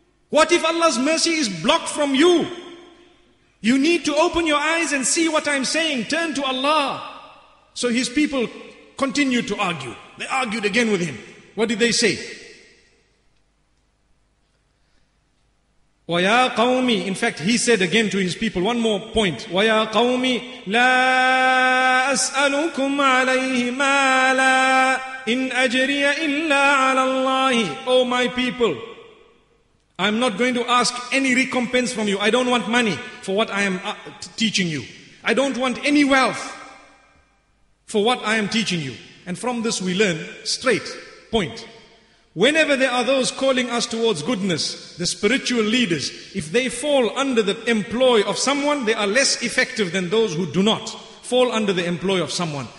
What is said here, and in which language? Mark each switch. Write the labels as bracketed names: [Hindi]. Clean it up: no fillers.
[English] What if Allah's mercy is blocked from you? You need to open your eyes and see what I'm saying. Turn to Allah. So His people continued to argue. They argued again with Him. What did they say? [Arabic] وَيَا قَوْمِ. [English] In fact, He said again to His people, one more point. [Arabic] وَيَا قَوْمِ لَا أَسْأَلُكُمْ عَلَيْهِ مَا لَا إِنْ أَجْرِيَ إِلَّا عَلَى اللَّهِ. [English] Oh my people, I'm not going to ask any recompense from you. I don't want money for what I am teaching you. I don't want any wealth for what I am teaching you. And from this we learn straight point. Whenever there are those calling us towards goodness, the spiritual leaders, if they fall under the employ of someone, they are less effective than those who do not fall under the employ of someone.